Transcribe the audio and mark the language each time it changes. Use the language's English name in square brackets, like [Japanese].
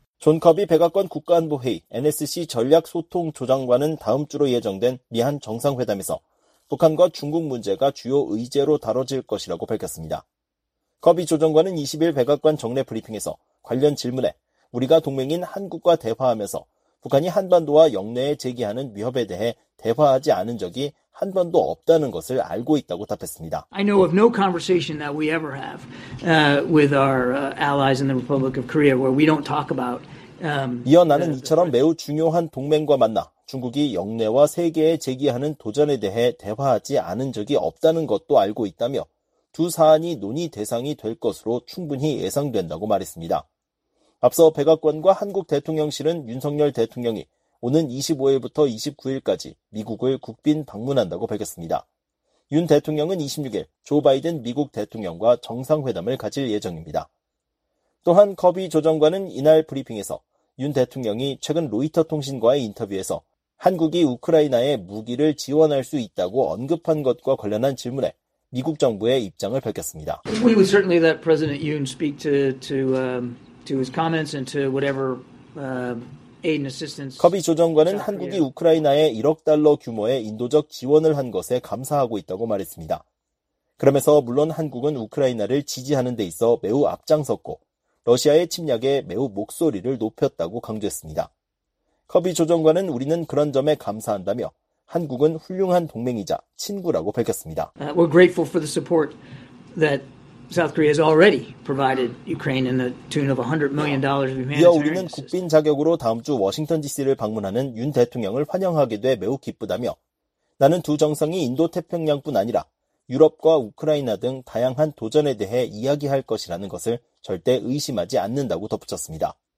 [Korean] 존 커비 백악관 국가안보회의 NSC 전략소통조장관은 다음 주로 예정된 미한 정상회담에서 북한과 중국 문제가 주요 의제로 다뤄질 것이라고 밝혔습니다. 커비 조정관은 20일 백악관 정례 브리핑에서 관련 질문에 우리가 동맹인 한국과 대화하면서 북한이 한반도와 영내에 제기하는 위협에 대해 대화하지 않은 적이 한 번도 없다는 것을 알고 있다고 답했습니다. [English] I know of no conversation that we ever have with our allies in the Republic of Korea where we don't talk about [Korean] 이어 나는 이처럼 매우 중요한 동맹과 만나 중국이 영내와 세계에 제기하는 도전에 대해 대화하지 않은 적이 없다는 것도 알고 있다며 두 사안이 논의 대상이 될 것으로 충분히 예상된다고 말했습니다. 앞서 백악관과 한국 대통령실은 윤석열 대통령이 오는 25일부터 29일까지 미국을 국빈 방문한다고 밝혔습니다. 윤 대통령은 26일 조 바이든 미국 대통령과 정상회담을 가질 예정입니다. 또한 커비 조정관은 이날 브리핑에서 윤 대통령이 최근 로이터통신과의 인터뷰에서 한국이 우크라이나에 무기를 지원할 수 있다고 언급한 것과 관련한 질문에 미국 정부의 입장을 밝혔습니다. [English] We would certainly let President Yoon speak to his comments and to whatever aid and assistance. [Korean] 커비 조정관은 한국이 우크라이나에 1억 달러 규모의 인도적 지원을 한 것에 감사하고 있다고 말했습니다. 그러면서 물론 한국은 우크라이나를 지지하는 데 있어 매우 앞장섰고 러시아의 침략에 매우 목소리를 높였다고 강조했습니다. 커비 조정관은 우리는 그런 점에 감사한다며 한국은 훌륭한 동맹이자 친구라고 밝혔습니다. [English] We're grateful for the support that South Korea has already provided Ukraine in the tune of $100 million. [Korean] 이어 우리는 국빈 자격으로 다음 주 워싱턴 DC를 방문하는 윤 대통령을 환영하게 돼 매우 기쁘다며 나는 두 정상이 인도 태평양뿐 아니라 유럽과 우크라이나 등 다양한 도전에 대해 이야기할 것이라는 것을 절대 의심하지 않는다고 덧붙였습니다.